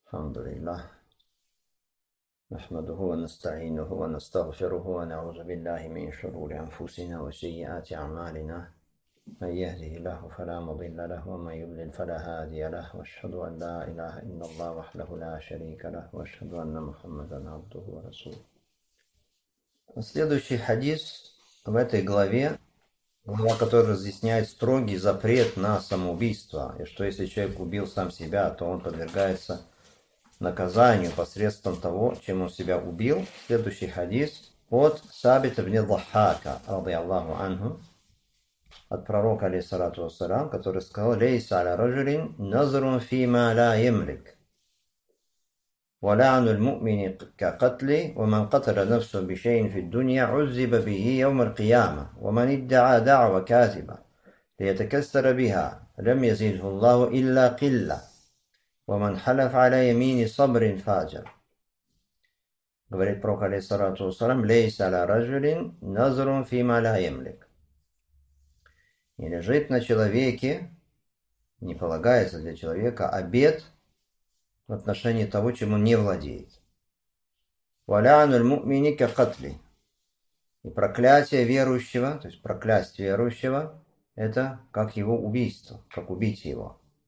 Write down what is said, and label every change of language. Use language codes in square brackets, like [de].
[ar] الحمد لله، نحمده ونستعينه ونستغفره ونعوذ بالله من شرور أنفسنا وسيئات أعمالنا. من يهده الله فلا مضل له، ومن يضلل فلا هادي له. وأشهد أن لا إله إلا الله وحده لا شريك له، وأشهد أن محمدا عبده ورسوله. [ru] Следующий хадис в этой главе, глава которой разъясняет строгий запрет на самоубийство, и что если человек убил сам себя, то он подвергается наказанию посредством того, чем он себя убил. Следующий хадис от Сабита ибн Дахака, ради Аллаху анху, от пророка, алейхиссалату вассалям, который сказал: [ar] «Лейса аля раджулин назрун фи ма ла ямлик». ولعن المؤمن كقتله ومن قتل نفسه بشيء في الدنيا عذب به يوم القيامة ومن ادعى دعوة كاذبة ليتكسر بها لم يزده الله إلا قلة ومن حلف على يمين صبر فاجر. [ru] говорит пророк [ar] алейхиссалату вассалям: ليس على رجل نظر فيما لا يملك. [ru] Не лежит на человеке, не полагается для человека обет в отношении того, чем он не владеет. [ar] «Валянуль му'мини ка катли». [ru] И проклятие верующего, то есть проклясть верующего, это как его убийство, как убить его.